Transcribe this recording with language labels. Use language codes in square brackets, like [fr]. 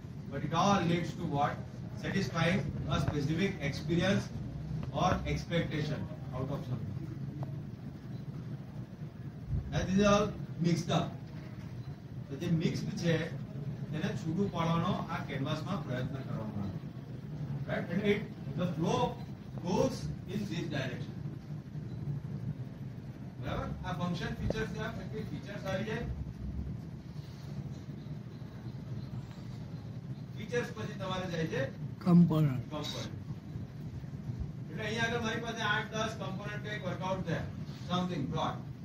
[en] But it all leads to what? Satisfying a specific experience or expectation out of something. That is all mixed up. [gu] તો જે mixed છે તેને છૂટું પાડવાનો આ કેનવાસમાં પ્રયત્ન કરવામાં આવે. [en] The flow goes in this direction. [gu] બરાબર, આ ફંક્શન ફીચર્સ છે, એટલે ફીચર્સ આવી જાય. ફીચર્સ પછી તમારે જાય છે કમ્પોનન્ટ. કમ્પોનન્ટ એટલે અહીંયા આગળ મારી પાસે 8-10 કમ્પોનન્ટ કઈક વર્કઆઉટ થયા, [en] Something broad.